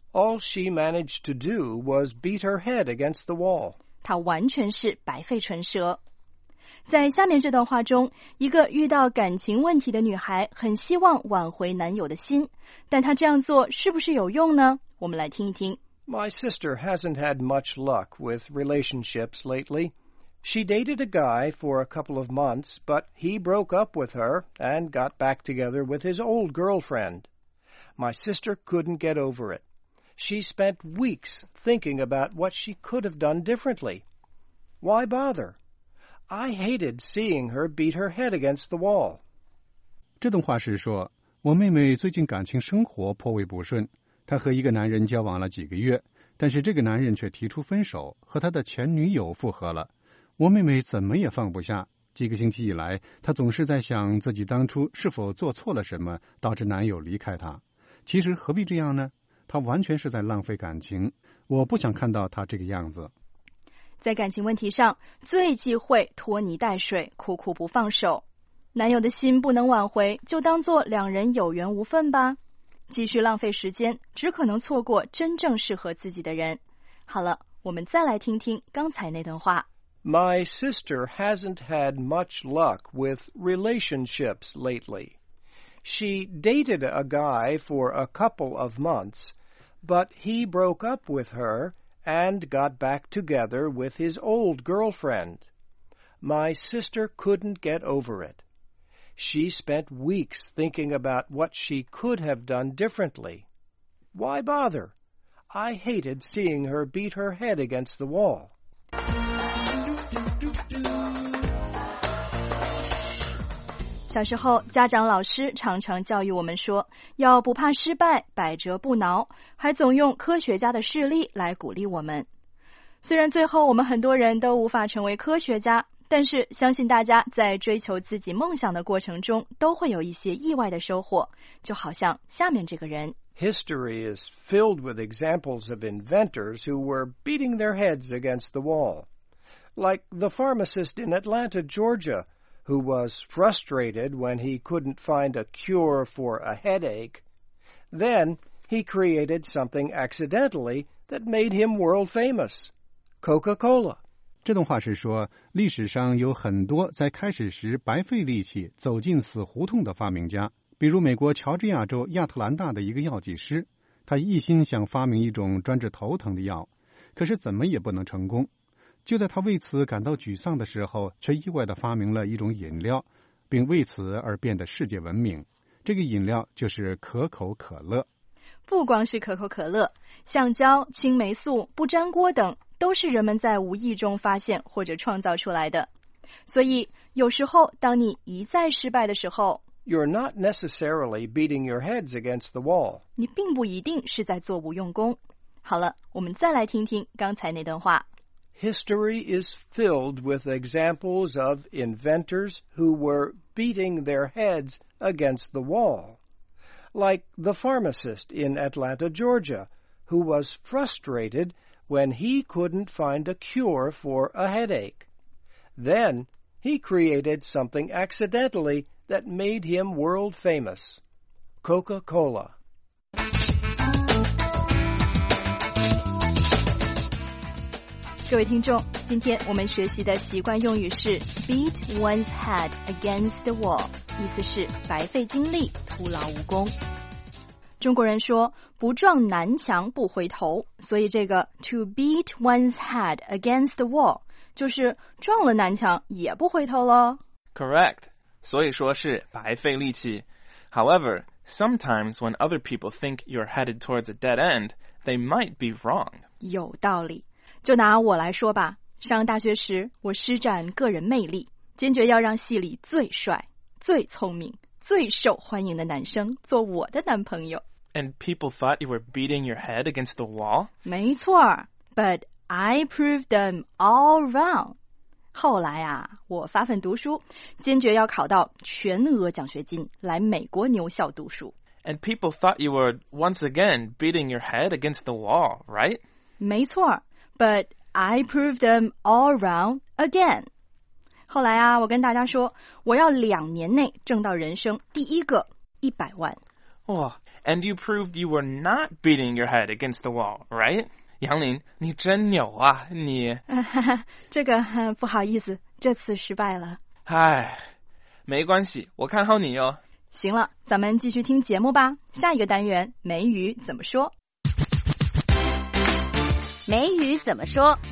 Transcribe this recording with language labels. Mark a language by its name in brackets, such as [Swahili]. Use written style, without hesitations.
[English] All she managed to do was beat her head against the wall. [Chinese] 她完全是白费唇舌。在下面这段话中，一个遇到感情问题的女孩很希望挽回男友的心，但她这样做是不是有用呢？我们来听一听。 [English] My sister hasn't had much luck with relationships lately. She dated a guy for a couple of months, but he broke up with her and got back together with his old girlfriend. My sister couldn't get over it. She spent weeks thinking about what she could have done differently. Why bother? I hated seeing her beat her head against the wall. [Chinese] 这段话是说，我妹妹最近感情生活颇为不顺，她和一个男人交往了几个月，但是这个男人却提出分手，和他的前女友复合了。我妹妹怎么也放不下，几个星期以来，她总是在想自己当初是否做错了什么，导致男友离开她。其实何必这样呢？她完全是在浪费感情，我不想看到她这个样子。在感情问题上，最忌讳拖泥带水，苦苦不放手。男友的心不能挽回，就当做两人有缘无分吧。继续浪费时间，只可能错过真正适合自己的人。好了，我们再来听听刚才那段话。 [English] My sister hasn't had much luck with relationships lately. She dated a guy for a couple of months, but he broke up with her and got back together with his old girlfriend. My sister couldn't get over it. She spent weeks thinking about what she could have done differently. Why bother? I hated seeing her beat her head against the wall. [Chinese] 小时候，家长老师常常教育我们说，要不怕失败，百折不挠，还总用科学家的事例来鼓励我们。虽然最后我们很多人都无法成为科学家，但是相信大家在追求自己梦想的过程中都会有一些意外的收获，就好像下面这个人。 [English] History is filled with examples of inventors who were beating their heads against the wall. Like the pharmacist in Atlanta, Georgia, who was frustrated when he couldn't find a cure for a headache. Then he created something accidentally that made him world famous. Coca-Cola. [Chinese] 这段话是说，历史上有很多在开始时白费力气走进死胡同的发明家，比如美国乔治亚州亚特兰大的一个药剂师，他一心想发明一种专治头疼的药，可是怎么也不能成功。就在他为此感到沮丧的时候，却意外地发明了一种饮料，并为此而变得世界闻名。这个饮料就是可口可乐。不光是可口可乐，橡胶、青霉素、不粘锅等都是人们在无意中发现或者创造出来的。所以，有时候当你一再失败的时候 [English] ，You're not necessarily beating your heads against the wall. [Chinese] 你并不一定是在做无用功。好了，我们再来听听刚才那段话。 [English] History is filled with examples of inventors who were beating their heads against the wall. Like the pharmacist in Atlanta, Georgia, who was frustrated when he couldn't find a cure for a headache. Then he created something accidentally that made him world famous. Coca-Cola. [Chinese] 各位听众，今天我们学习的习惯用语是 [English] beat one's head against the wall， [Chinese] 意思是白费精力，徒劳无功。中国人说不撞南墙不回头，所以这个 [English] to beat one's head against the wall [Chinese] 就是撞了南墙也不回头咯。 [English] Correct， [Chinese] 所以说是白费力气。 [English] However, sometimes when other people think you're headed towards a dead end, they might be wrong. [Chinese] 有道理。就拿我来说吧，上大学时我施展个人魅力，坚决要让系里最帅、最聪明、最受欢迎的男生做我的男朋友。 [English] And people thought you were beating your head against the wall? [Chinese] 没错 [English] ,but I proved them all wrong. [Chinese] 后来啊，我发奋读书，坚决要考到全额奖学金，来美国牛校读书。 [English] And people thought you were once again beating your head against the wall, right? [Chinese] 没错。 [English] But I proved them all wrong again. [Chinese] 后来啊，我跟大家说，我要两年内挣到人生第一个100万。 [English] Oh, and you proved you were not beating your head against the wall, right? [Chinese] 杨林，你真牛啊，你。这个，不好意思，这次失败了。唉，没关系，我看好你哟。行了，咱们继续听节目吧。下一个单元，梅雨怎么说？梅雨怎么说